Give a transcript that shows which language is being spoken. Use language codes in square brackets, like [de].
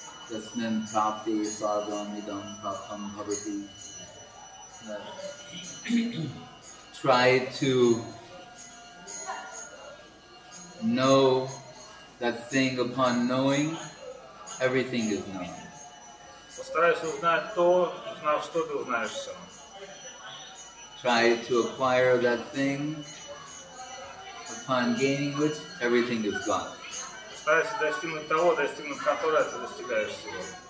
[sa] Yasmin prapte sarvam idam prapam bhavati. [en] Try to know that thing upon knowing, everything is known. [ru] Постарайся узнать то, узнав что ты узнаешь сам. [en] Try to acquire that thing, upon gaining which everything is gone. [ru] Постарайся достигнуть того, достигнув которого ты достигаешь всего.